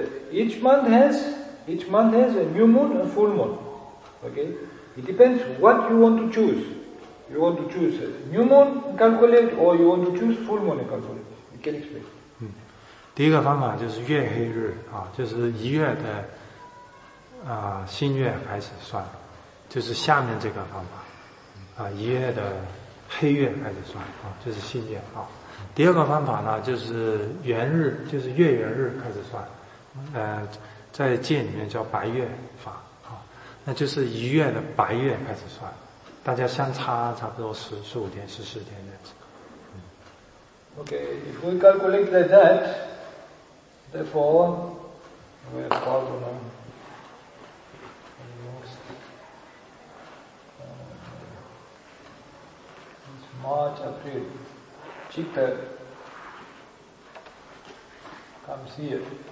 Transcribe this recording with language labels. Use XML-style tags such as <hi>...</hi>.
<en>Each month has a new moon and full moon. Okay? It depends what you want to choose. You want to choose a new moon and calculate, or you want to choose full moon and calculate. You can explain.</en> <zh>第一个方法就是月黑日啊，就是一月的新月开始算，就是下面这个方法啊，一月的黑月开始算啊，就是新月啊。第二个方法呢，就是圆日，就是月圆日开始算，在界里面叫白月法啊，那就是一月的白月开始算，大家相差差不多15天、14天这样子。</zh> <en>Okay, if we calculate like that, therefore, we have problem. It's March, April. Chitta comes here.</en>